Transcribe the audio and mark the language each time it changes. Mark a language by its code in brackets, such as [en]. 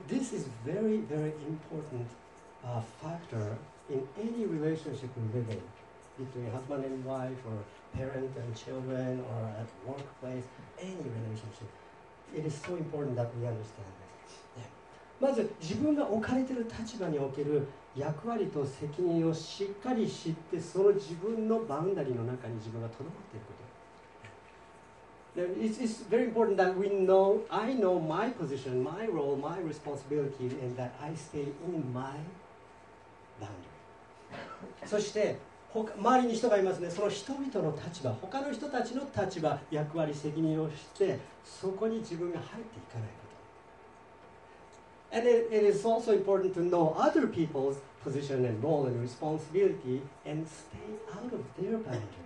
[en] で、This is very, very important factor in any relationship we live in between husband and wife or parent and children or at workplace, any relationship. It is so important that we understand this. [ja] まず自分が置かれている立場における役割と責任をしっかり知って、その自分のバウンダリーの中に自分が留まっていること。 [en] It's very important that we know, I know my position, my role, my responsibility, and that I stay in my boundary. [ja] そして周りに人がいますね。その人々の立場、他の人たちの立場、役割、責任を知って、そこに自分が入っていかないこと。 [en] And it is also important to know other people's position and role and responsibility and stay out of their boundary.